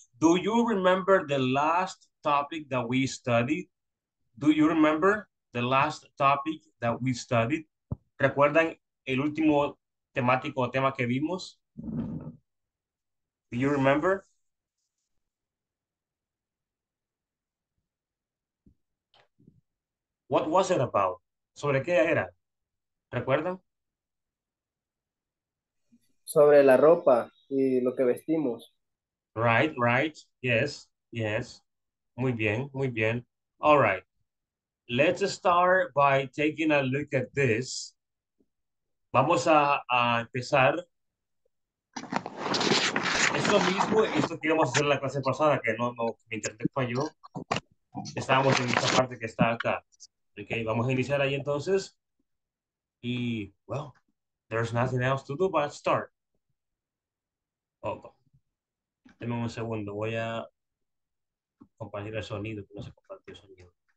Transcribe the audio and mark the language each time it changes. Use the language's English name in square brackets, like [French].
[English] Do you remember the last topic that we studied? Do you remember the last topic that we studied? [Spanish] ¿Recuerdan el último temático o tema que vimos? [English] Do you remember? What was it about? ¿Sobre qué era? ¿Recuerdan? [Spanish] Sobre la ropa y lo que vestimos. [English] Right, right. Yes, yes. Muy bien, muy bien. All right. Let's start by taking a look at this. [Spanish] Vamos a empezar. Eso mismo, esto que íbamos a hacer en la clase pasada, que no, mi internet falló. Estábamos en esta parte que está acá. Ok, vamos a iniciar ahí entonces. [English] Y, well, there's nothing else to do but start. [Spanish] Ojo. Deme un segundo, voy a compartir el sonido, que no se compartió el sonido.